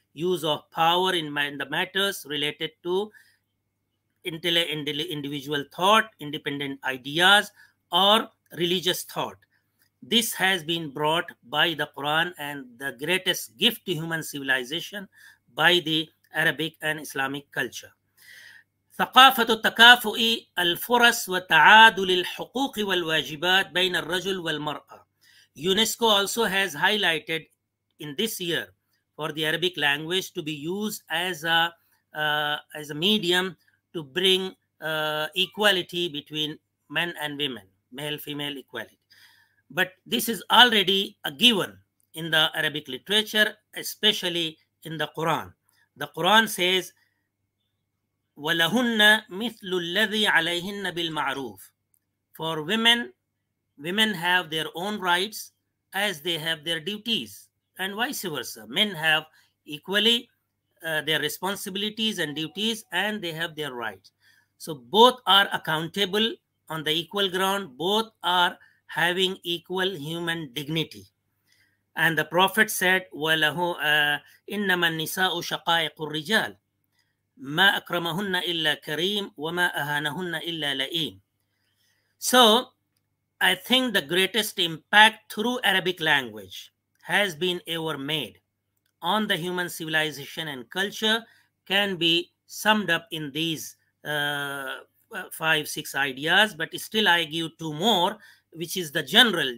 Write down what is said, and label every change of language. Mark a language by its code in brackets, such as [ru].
[en] use of power in the matters related to individual thought, independent ideas, or religious thought. This has been brought by the Quran and the greatest gift to human civilization by the Arabic and Islamic culture. [ar] ثقافة التكافؤ الفرص وتعادل الحقوق والواجبات بين الرجل والمرأة. [en] UNESCO also has highlighted in this year for the Arabic language to be used as a medium to bring equality between men and women, male-female equality. But this is already a given in the Arabic literature, especially in the Quran. The Quran says, [ar] وَلَهُنَّ مِثْلُ الَّذِي عَلَيْهِنَّ بِالْمَعْرُوفِ. [en] For women have their own rights as they have their duties, and vice versa. Men have equally their responsibilities and duties, and they have their rights. So both are accountable on the equal ground. Both are having equal human dignity. And the Prophet said, [ar] وَلَهُ إِنَّمَا النِّسَاءُ شَقَائِقُ الرِّجَالِ مَا أَكْرَمَهُنَّ إِلَّا كَرِيمٌ وَمَا أَهَانَهُنَّ إِلَّا لَئِيمٌ. [en] So, I think the greatest impact through Arabic language has been ever made on the human civilization and culture can be summed up in these 5-6 ideas, but still I give 2 more, which is the general.